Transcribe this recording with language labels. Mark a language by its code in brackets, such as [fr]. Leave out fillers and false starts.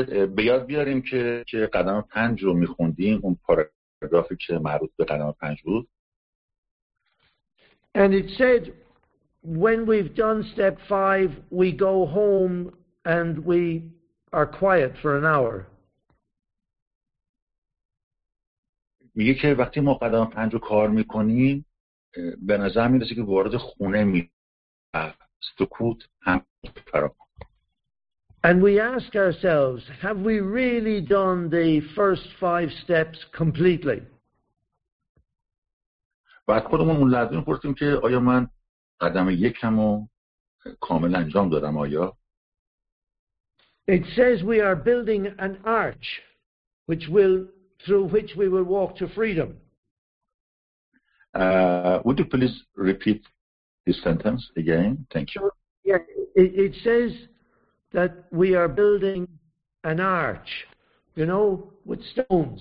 [fa] به یاد بیاریم که قدم 5 رو می‌خوندیم، اون پاراگرافی که معروف به قدم 5 بود. [en] And it said, when we've done step 5, we go home and we are quiet for an hour. [fa] میگه که وقتی ما قدم 5 رو کار میکنیم به نظر میرسه که وارد خونه میره سکوت هم فراهم [en] And we ask ourselves have we really done the first 5 steps completely [fa] بعد خودمون اون لحظه میپرسیم که آیا من قدم 1 رو کامل انجام دادم آیا [en] It says we are building an arch which will through which we will walk to freedom. Would you please repeat this sentence again? Thank you. It says that we are building an arch, you know, with stones.